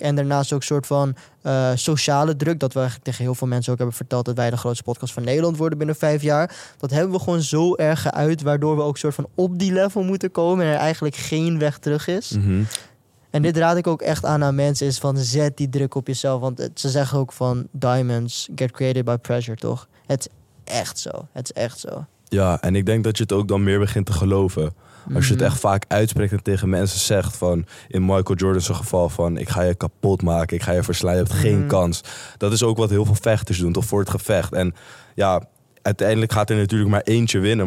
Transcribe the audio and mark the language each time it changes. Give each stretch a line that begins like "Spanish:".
Dutch: en daarnaast ook een soort van sociale druk... dat we eigenlijk tegen heel veel mensen ook hebben verteld... dat wij de grootste podcast van Nederland worden binnen 5 jaar. Dat hebben we gewoon zo erg geuit... waardoor we ook een soort van op die level moeten komen... en er eigenlijk geen weg terug is. Mm-hmm. En dit raad ik ook echt aan mensen... is van zet die druk op jezelf. Want ze zeggen ook van...
English: diamonds get created by pressure,
Dutch: toch? Het is echt zo. Het is echt zo. Ja, en ik denk dat je het ook dan meer begint te geloven... Als je het echt vaak uitspreekt en tegen mensen zegt van... in Michael Jordan's geval van... ik ga je kapot maken, ik ga je verslaan, je hebt geen kans. Dat is ook wat heel veel vechters doen, toch, voor het gevecht. En ja, uiteindelijk gaat er natuurlijk maar eentje winnen.